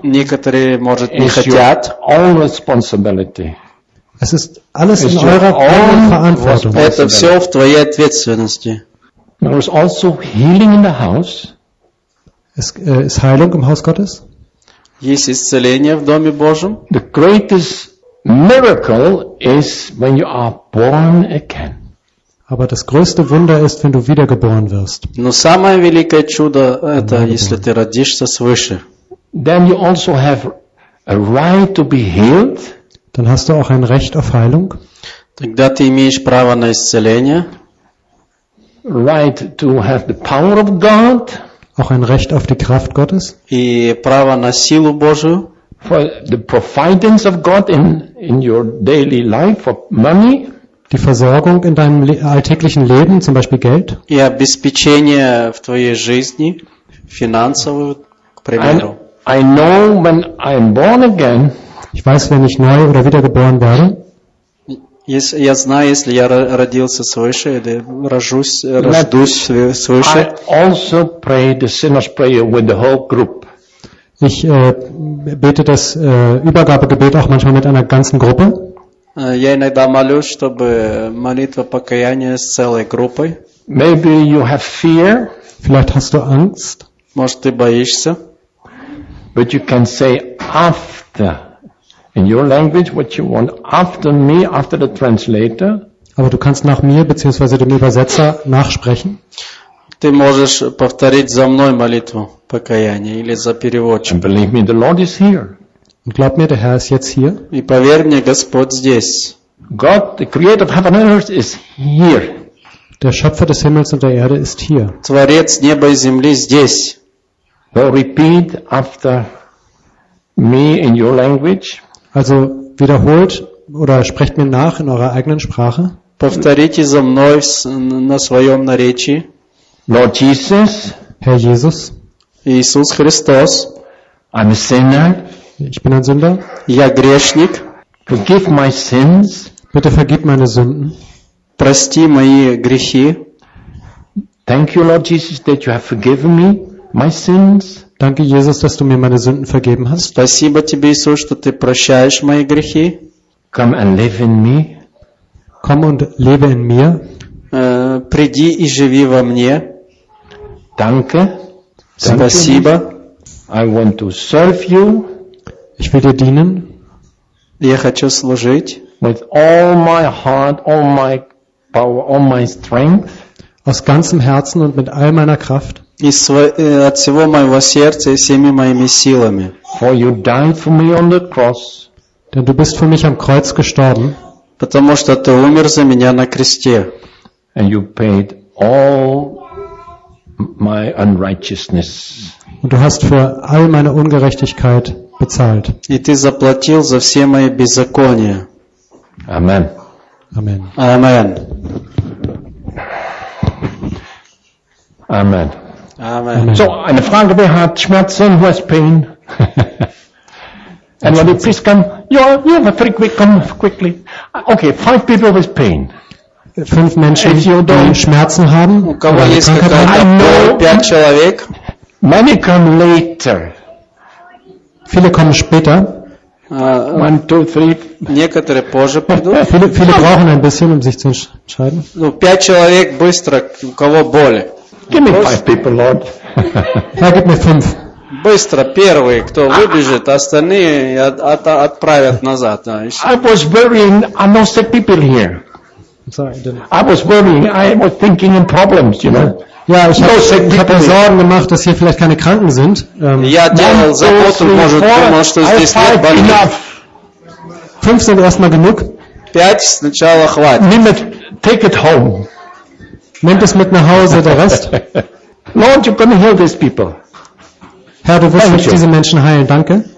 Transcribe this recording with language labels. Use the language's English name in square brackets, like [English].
[Russian] Некоторые, может, не хотят. [English] All responsibility. [German] Es ist alles in eurer Verantwortung. [Russian] Это все в твоей ответственности. [English] There is also healing in the house. [German] Ist Heilung im Haus Gottes? [Russian] Есть исцеление в доме Божьем. [English] The greatest miracle is when you are born again. [German] Aber das größte Wunder ist, wenn du wiedergeboren wirst. [Russian] Но самое великое чудо это если ты родишься свыше. [English] Then you also have a right to be healed. [German] Dann hast du auch ein Recht auf Heilung. [Russian] Тогда ты имеешь право на исцеление. [English] Right to have the power of God. [German] Auch ein Recht auf die Kraft Gottes. [Russian] И право на силу Божию. [English] For the providence of God in your daily life for money. [German] Die Versorgung in deinem alltäglichen Leben, zum Beispiel Geld. [Russian] И обеспечение в твоей жизни финансовую, к примеру. [English] I know when I'm born again. [German] Ich weiß, wenn ich neu oder wiedergeboren werde. [Russian] Я знаю, если я родился свыше, или рождусь свыше. [English] I also pray the sinner's prayer with the whole group. [German] Ich bete das Übergabegebet auch manchmal mit einer ganzen Gruppe. [Russian] Я иногда молюсь, чтобы молитва покаяния с целой группой. [English] Maybe you have fear. [German] Vielleicht hast du Angst. [Russian] Может, ты боишься. [English] But you can say after. In your language, what you want after me, after the translator. [German] Aber du kannst nach mir bzw. dem Übersetzer nachsprechen. [Russian] Ты можешь повторить за мной молитву покаяния или за переводчика. [English] And believe me, the Lord is here. [German] Und glaub mir, der Herr ist jetzt hier. [Russian] И поверь мне, Господь здесь. [English] God, the Creator of heaven and earth, is here. [German] Der Schöpfer des Himmels und der Erde ist hier. [Russian] Творец неба и земли здесь. [English] So repeat after me in your language. [German] Also wiederholt oder sprecht mir nach in eurer eigenen Sprache. [Russian] Повторите за мной на своем наречии. [English] Lord Jesus. [German] Herr Jesus. [Russian] Иисус Христос. [English] I'm a sinner. [German] Ich bin ein Sünder. [Russian] Я грешник. [English] Forgive my sins. [German] Bitte vergib meine Sünden. [Russian] Прости мои грехи. [English] Thank you, Lord Jesus, that you have forgiven me my sins. [German] Danke, Jesus, dass du mir meine Sünden vergeben hast. [Russian] Спасибо тебе, Иисус, что ты прощаешь мои грехи. [English] Come and live in me. [German] Komm und lebe in mir. [Russian] Приди и живи во мне. [German] Danke. [Russian] Спасибо. [English] I want to serve you. [German] Ich will dir dienen. [Russian] Я хочу служить. [English] With all my heart, all my power, all my strength. [German] Aus ganzem Herzen und mit all meiner Kraft. [Russian] От всего моего сердца и всеми моими силами. [English] For you died for me on the cross. [German] Denn du bist für mich am Kreuz gestorben. [Russian] Потому что ты умер за меня на кресте. [English] And you paid all my unrighteousness. [German] Und du hast für all meine Ungerechtigkeit bezahlt. [Russian] И ты заплатил за все мои беззакония. Amen. Amen. Amen. Amen. Amen. [German] So, eine Frage, wer hat Schmerzen, [English] who has pain? Anybody, please come. You have a very quick, come quickly. Okay, 5 people with pain. [German] 5 Menschen, die Schmerzen haben. [Russian] У кого есть какая-то 5 человек. [English] Many come later. [German] Viele kommen später. [English] 1, 2, 3. [Russian] Некоторые позже придут. [German] Viele brauchen ein bisschen, um sich zu entscheiden. [Russian] Ну, 5 человек быстро, у кого боли. [English] Give me 5 people, Lord. [German] Herr, gib mir 5. [Russian] Быстро, первый, кто выбежит, остальные отправят назад. [English] I was worrying, I know sick people here. Sorry, I was thinking in problems, you know. [German] Ja, ich habe Sorgen gemacht, dass hier vielleicht keine Kranken sind. [Russian] Ja, делал заботу, может, думал, что здесь нет больных. [German] 5 sind erstmal genug. [Russian] 5 сначала хватит. [German] Nimm [English] it, take it home. [German] Nimmt es mit nach Hause, der Rest. [English] Lord, you can heal these people. [German] Herr, du wirst diese Menschen heilen, danke.